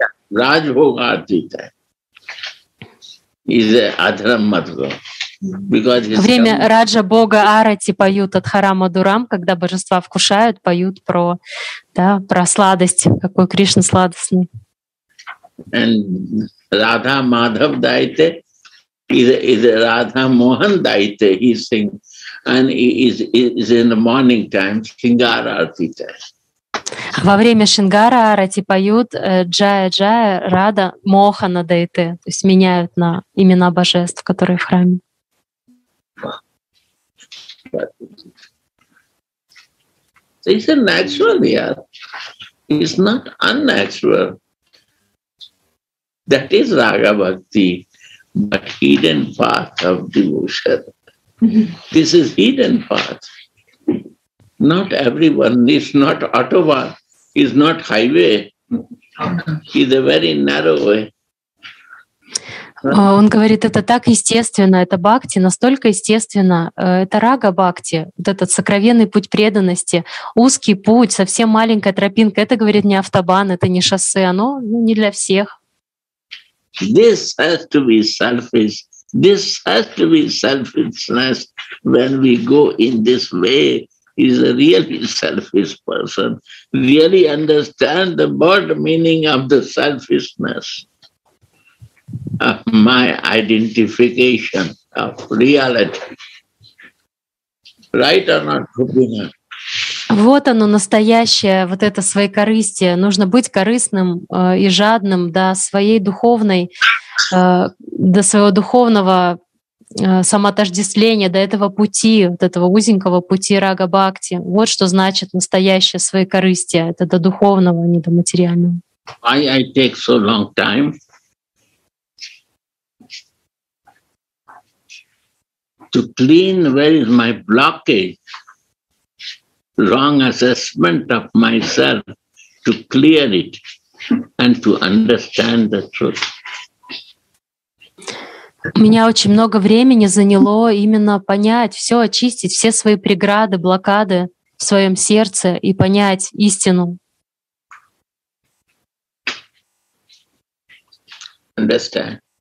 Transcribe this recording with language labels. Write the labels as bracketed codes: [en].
[ru] Время Раджа Бога Арати поют от Харама Дурам, когда божества вкушают, поют про, да, про сладость, какой Кришна сладостный. [en] And Radha Madhav Daite. is Radha Mohan Daite, he sings, and is in the morning time Shingara Arati test. [ru] Во время Шингара Арати поют Джая Джая Рада Мохана Дайте, то есть меняют на имена божеств, которые в храме. [en] It's a natural, yeah. It's not unnatural. That is Raga Bhakti, but hidden path of devotion. This is hidden path. Not everyone, it's not autobahn, it's not highway, it's a very narrow way. [ru] Он говорит, это так естественно, это бхакти, настолько естественно, это рага бхакти, вот этот сокровенный путь преданности, узкий путь, совсем маленькая тропинка, это, говорит, не автобан, это не шоссе, оно не для всех. [en] This has to be selfish, this has to be selfishness when we go in this way. Is a really selfish person, really understand the broad meaning of the selfishness of my identification of reality. Right or not, Gopinath? [ru] Вот оно, настоящее, вот это своекорыстие. Нужно быть корыстным и жадным до своей духовной, до своего духовного самоотождествление до этого пути, вот этого узенького пути рага-бхакти. Вот что значит настоящее своекорыстие. Это до духовного, а не до материального. [en] Why I take so long time to clean where is my blockage, wrong assessment of myself, to clear it and to understand the truth. [ru] У меня очень много времени заняло именно понять все, очистить все свои преграды, блокады в своем сердце и понять истину. [en] Understand.